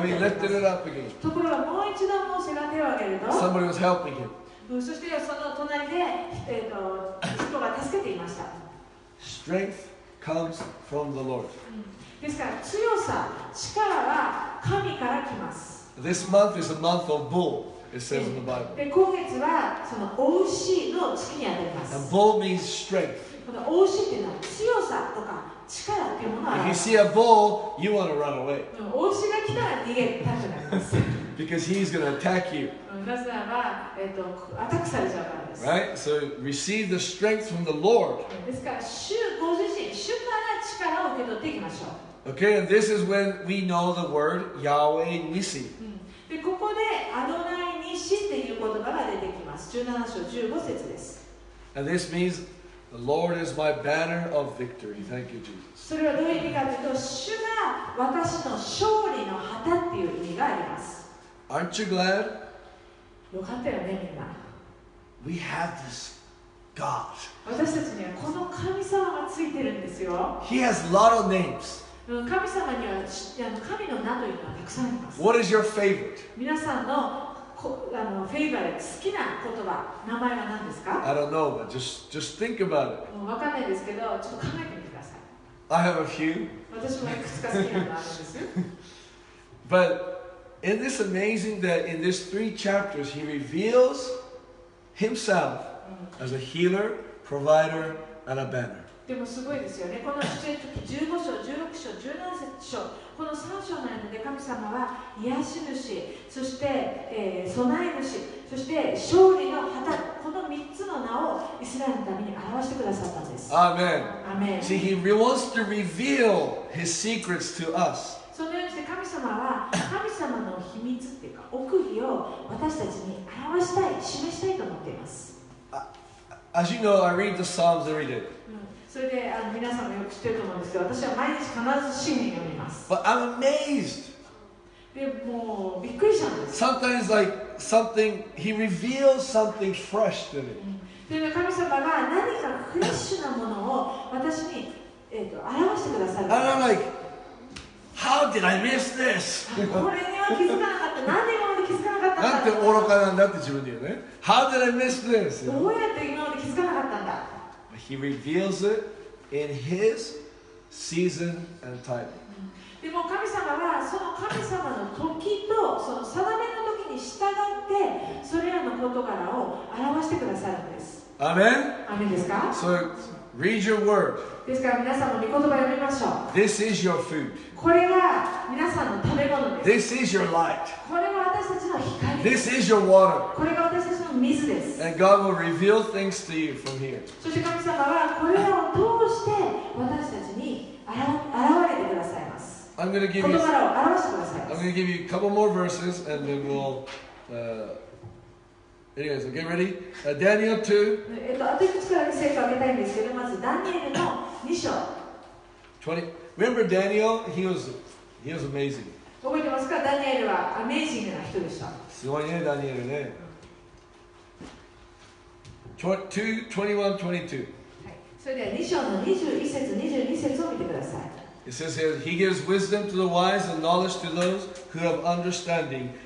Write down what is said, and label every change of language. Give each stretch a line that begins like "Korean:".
Japanese: ります。
English: When he lifted it up again.
Japanese: ところがもう一度モーセが手を上げると。
English: Somebody was helping him.
Japanese: そしてその隣で、人が助けていました。
English: Strength comes from the Lord.
Japanese: ですから強さ、力は神から来ます。
English: This month is a month of bull, it says in the Bible.
Japanese: で、今月はその牡牛の月にあたります。
English: And bull means strength.
Japanese: この牡牛っていうのは強さとか力っていうものがある。
English: If you see a bull, you want to run away.
Japanese: 牡牛が来たら逃げたくなります。
English: Because he's going to attack you.
Japanese: なぜならば、アタックされちゃうからです。
English: Right? So receive the strength from the Lord.
Japanese: ですから、主ご自身、主から力を受け取っていきましょう。
English: Okay, and this is when we know the word Yahweh Nissi.
Japanese: で、ここでアドナイ・ニシっていう言葉が出てきます。17章15節です。
English: And this means the Lord is my banner of victory. Thank you, Jesus.
Japanese: それはどういう意味かというと、主が私の勝利の旗っていう意味があります。
English: Aren't you glad?
Japanese: よかったよね、みんな。
English: We have this God.
Japanese: 私たちにはこの神様がついてるんですよ。
English: He has a lot of names.
Japanese: 神様には神の名というのはたくさんあります。
English: What is your favorite?
Japanese: 皆さんのフェイバレット、好きな言葉、名前は何ですか?
English: I don't know, but just think about it.
Japanese: わかんないですけど、ちょっと考えてみてください。
English: I have a few.
Japanese: 私もいくつか好きなのあるんです。
English: But... Isn't this amazing that in these three chapters he reveals himself as a healer, provider, and a banner?
Japanese: でもすごいですよね。この15章、16章、17章、この3章の間で神様は癒し主、そして、備え主、そして勝利の旗、この3つの名をイスラエルのために表してくださったんです。アーメン。アーメン。
English: See, he wants to reveal his secrets to us.
Japanese: そのようにして神様様は神様の秘密っていうか奥義を私たちに表したい、示したいと思っています。
English: As you know, I read the Psalms every day.
Japanese: それで皆さんもよく知ってると思うんですけど、私は毎日必ず詩編読みます。
English: But I'm amazed.
Japanese: でもうびっくりしたんです。
English: Sometimes like something, he reveals something fresh to me.
Japanese: で神様が何かフレッシュなものを私に表してくださる。
English: And I'm like,How did I miss this?
Japanese: なんて愚かなんだって自分で言うね。
English: How did I miss this?
Japanese: どうやって今まで気づかなかったんだ。
English: He reveals it in his season and time.
Japanese: でも神様はその神様の時とその定めの時に従ってそれらの事柄を表してくださるんです。アメン。アメンですか。
English: So, read your word.
Japanese: ですから皆さんの御言葉を読みましょう。
English: This is your food.
Japanese: これが皆さんの食べ物です。
English: This is your light.
Japanese: これが私たちの光です。
English: This is your water.
Japanese: これが私たちの水です。
English: And God will reveal things to you from here.
Japanese: そして神様はこれらを通して私たちに現れてくださいます。
English: I'm gonna give you,
Japanese: 言葉を表してくださいます。
English: I'm gonna give you a couple more verses and then we'll, anyways, get ready. Daniel 2.
Japanese: あと一つから聖書を上げたいんですけど、まずダニエルの2章。
English: 20. Remember Daniel? He was amazing.
Japanese: 覚えてますか？ダニエルはアメージングな人でした。すごいね、ダニエルね。 21-22. はい。それでは2章の21節、22節を見てください。
English: It says here, He gives wisdom to the wise and knowledge to those who have understanding.